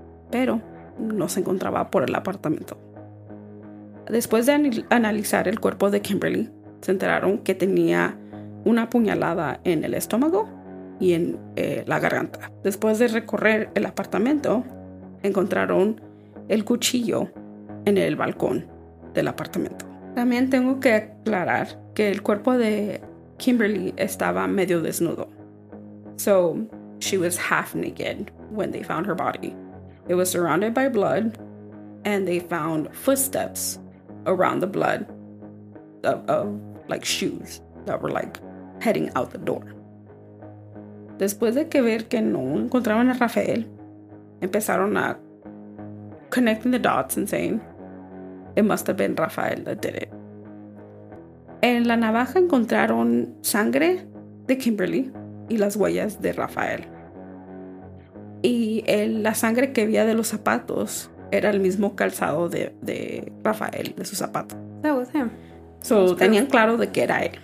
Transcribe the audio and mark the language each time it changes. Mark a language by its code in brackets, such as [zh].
[es] Pero no se encontraba por el apartamento. Después de analizar el cuerpo de Kimberly, se enteraron que tenía una puñalada en el estómago y en la garganta. Después de recorrer el apartamento, encontraron el cuchillo en el balcón del apartamento. También tengo que aclarar que el cuerpo de Kimberly estaba medio desnudo. [en] So, she was half naked when they found her body. It was surrounded by blood, and they found footsteps around the blood of like shoes that were like heading out the door. [es] Después de que ver que no encontraban a Rafael, empezaron a [en] connecting the dots and saying it must have been Rafael that did it. [es] En la navaja encontraron sangre de Kimberly y las huellas de Rafael. Y la sangre que había de los zapatos era el mismo calzado de Rafael, de su zapato. [en] That was him. [es] So, was tenían claro de que era él.